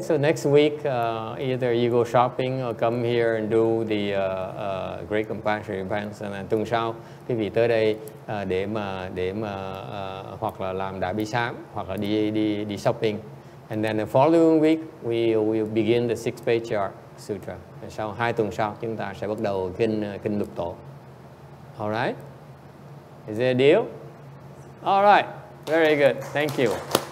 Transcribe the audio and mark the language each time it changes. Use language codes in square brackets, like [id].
[en] So next week, either you go shopping or come here and do the Great Compassion events, and then [vi] tuần sau, quý vị tới đây để mà hoặc là làm đại bi sám hoặc là đi shopping. [en] And then the following week, we will begin the Six Patriarch Sutra. [vi] And sau hai tuần sau, chúng ta sẽ bắt đầu kinh lục tổ. [en] All right? Is that a deal? All right. Very good. Thank you.